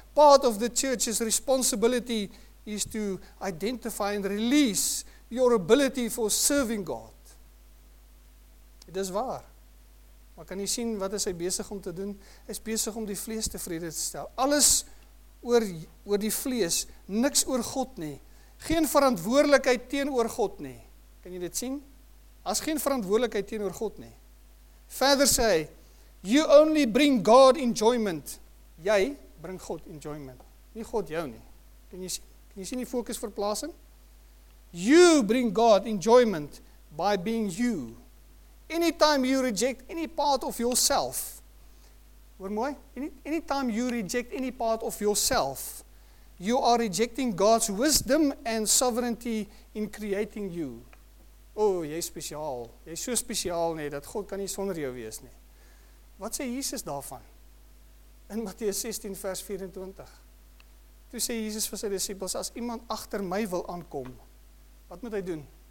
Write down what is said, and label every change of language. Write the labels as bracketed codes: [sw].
[en] Part of the church's responsibility is to identify and release your ability for serving God. [af] Dit is waar. Maar kan jy sien wat is hy besig om te doen? Hy is besig om die vlees tevrede te stel. Alles oor die vlees, niks oor God nie. Geen verantwoordelikheid teenoor God nie. Kan jy dit sien? As geen verantwoordelikheid teenoor God nie. Verder sê hy, [en] you only bring God enjoyment. [af] Jy bring God enjoyment, nie God jou nie. Kan jy sien die fokusverplasing? [en] You bring God enjoyment by being you. Anytime you reject any part of yourself, [af] hoor mooi, [en] anytime you reject any part of yourself, you are rejecting God's wisdom and sovereignty in creating you. [af] Oh, jy is spesiaal, jy is so spesiaal nie, dat God kan nie sonder jou wees nie. Wat sê Jesus daarvan? In Matteus 16 vers 24, toe sê Jesus vir sy disippels, as iemand agter my wil aankom, wat moet hy doen?